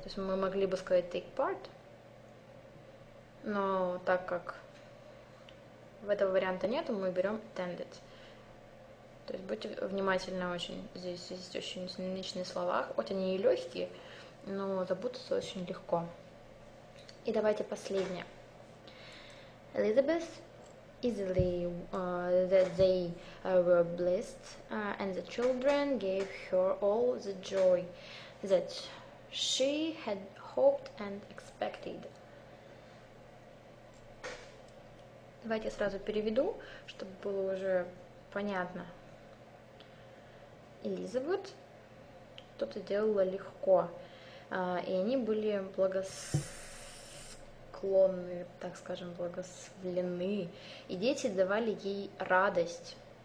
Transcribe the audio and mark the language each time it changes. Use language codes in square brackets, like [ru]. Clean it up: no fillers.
[ru] То есть мы могли бы сказать take part. Но так как этого варианта нет, мы берем attended. То есть будьте внимательны очень. Здесь очень синонимичные слова. Хоть они и легкие. Ну, запутаться очень легко. И давайте последнее. [en] Elizabeth easily that they were blessed and the children gave her all the joy that she had hoped and expected. [ru] Давайте сразу переведу, чтобы было уже понятно. Elizabeth что-то делала легко. И они были благос... благосклонны, так скажем, благословлены. И дети давали ей радость.